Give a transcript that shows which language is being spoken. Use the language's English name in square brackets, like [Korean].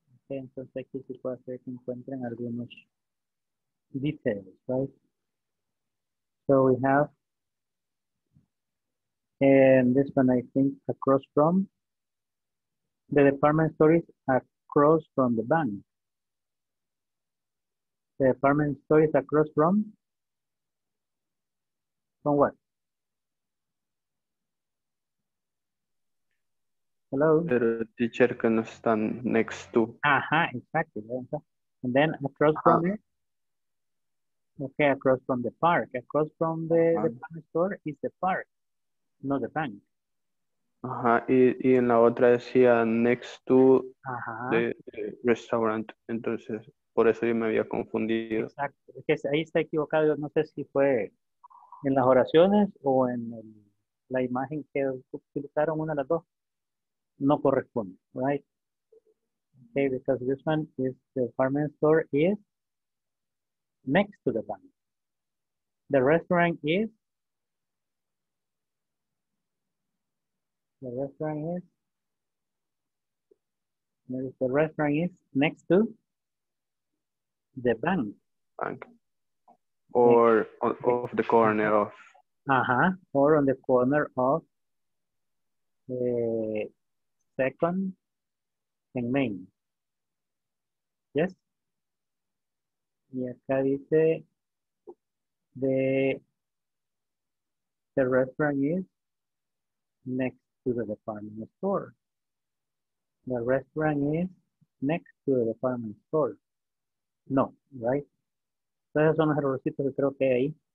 [Spanish] Okay, entonces aquí se puede hacer que encuentren algunos details, right? [English] So we have, and this one I think across from, the department store is across from the bank. The department store is across from what? Hello? [Spanish] Pero teacher que no están [English] next to. Ajá, exactly. And then across from it? Okay, across from the park. Across from the department store is the park, not the bank. [Spanish] Ajá, y en la otra decía [English] next to the restaurant. [Spanish] Entonces, por eso yo me había confundido. Exacto, es que ahí está equivocado. Yo no sé si fue en las oraciones o en la imagen que utilizaron, una de las dos. No corresponde, right? [English] Okay, because this one is the department store is next to the bank. The restaurant is. The restaurant is next to the bank. Bank. Or next. Of the corner of. Uh-huh. Or on the corner of Second and Main. Yes? [Spanish] Y acá dice the [English] The restaurant is next to the department store. The restaurant is next to the department store. No, right? [Spanish] Esos son los errorcitos que creo que hay ahí.